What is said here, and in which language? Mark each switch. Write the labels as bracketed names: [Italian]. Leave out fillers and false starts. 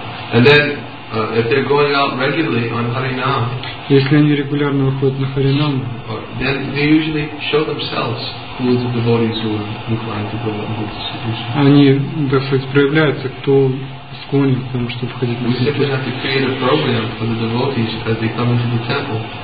[English] And then if they're going out regularly on Harinam, [Russian] если они регулярно выходят на Харинам, [English] then they usually show themselves who are the devotees who are inclined to go on the distribution. [Russian] Они, так сказать, проявляются, кто склонен к тому, чтобы ходить на [English] Харинам. We simply have to create a program for the devotees as they come into the temple.